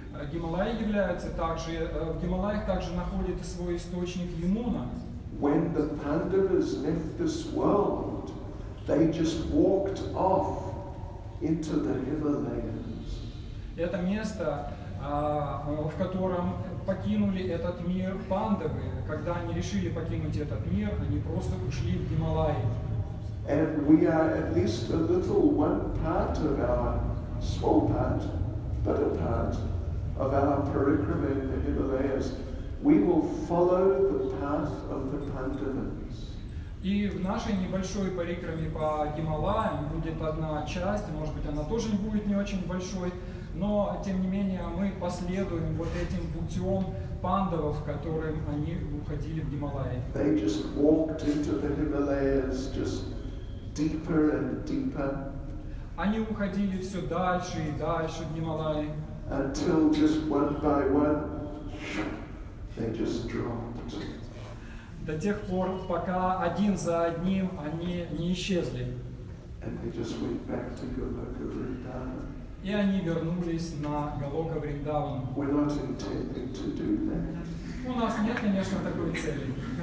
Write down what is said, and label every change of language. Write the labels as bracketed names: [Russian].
[Russian] Гималаи являются также, в Гималаях также находит свой источник Ямуна. [English] When the Pandavas left this world, they just walked off into the Himalayas. [Russian] Это место, в котором покинули этот мир Пандавы, когда они решили покинуть этот мир, они просто ушли в Гималаи. [English] And we are at least a little one part of our small part, but a part of our parikrama in the Himalayas, we will follow the path of the Pandavas. [Russian] И в нашей небольшой парикраме по Гималаям будет одна часть, может быть, она тоже будет не очень большой, но тем не менее мы последуем вот этим путем пандавов, которым они уходили в Гималаи. [English] They just walked into the Himalayas, just deeper and deeper. [Russian] Они уходили все дальше и дальше в Гималаи. [English] Until just one by one, they just dropped. [Russian] До тех пор, пока один за одним они не исчезли. [English] And they just went back to Goloka Vrindavan. [Russian] И они вернулись на Голока Вриндаван. [English] We're not intending to do that. [Russian] У нас нет, конечно, такой цели.